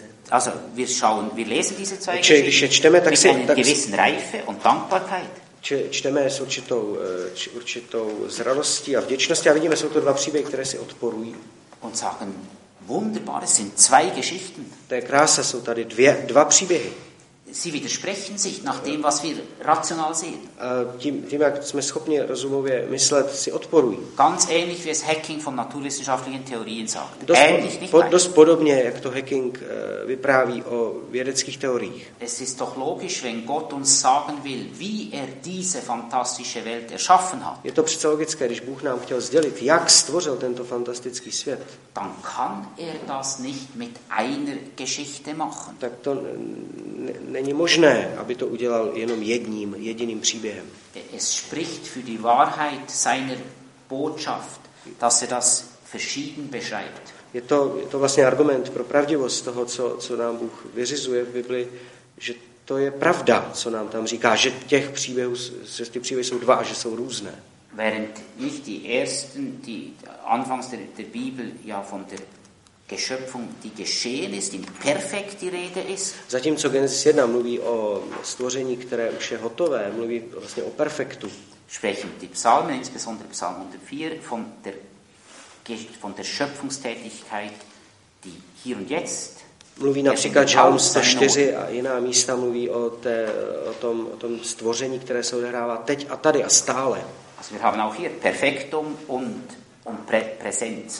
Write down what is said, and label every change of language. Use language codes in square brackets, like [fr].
[de] Also, wir schauen, wir lesen diese zwei Geschichten, [cs] Čteme, tak [de] mit einer gewissen Reife und Dankbarkeit. [cs] čteme s určitou zralostí a vděčností. A vidíme, jsou to dva příběhy, které si odporují. [de] Und sagen, wunderbar, es sind zwei Geschichten. [cs] To je krása, jsou tady dva příběhy. [de] Sie widersprechen sich nach dem, was wir rational sehen. [cs] Tím, jak jsme schopni rozumově myslet, si odporují. [de] Ganz ähnlich, wie es Hacking von naturwissenschaftlichen Theorien sagt. [cs] Dost podobně, jak to Hacking vypráví o vědeckých teoriích. [de] Es ist doch logisch, wenn Gott uns sagen will, wie er diese fantastische Welt erschaffen hat. [cs] Je to přece logické, když Bůh nám chtěl sdělit, jak stvořil tento fantastický svět. [de] Dann kann er das nicht mit einer Geschichte machen. [cs] Tak to není možné, aby to udělal jenom jediným příběhem. [de] Es spricht für die Wahrheit seiner Botschaft, dass er das verschieden beschreibt. [cs] Je to vlastně argument pro pravdivost toho, co nám Bůh vyřizuje v Bibli, že to je pravda, co nám tam říká, že těch příběhů, že ty příběhy jsou dva a že jsou různé. [de] Während nicht die ersten, die anfangs der Bibel ja von der Geschöpfung, die geschehen ist, in perfekt die Rede ist. [cs] Zatímco Genesis 1 mluví o stvoření, které už je hotové, mluví vlastně o perfektu. [de] Sprechen die Psalme, insbesondere Psalm 104, von der Schöpfungstätigkeit, die hier und jetzt. [cs] Mluví například Žalm 104 a jiná místa mluví o tom stvoření, které se odehrává teď a tady a stále. [de] Also wir haben auch hier Perfektum und Präsenz.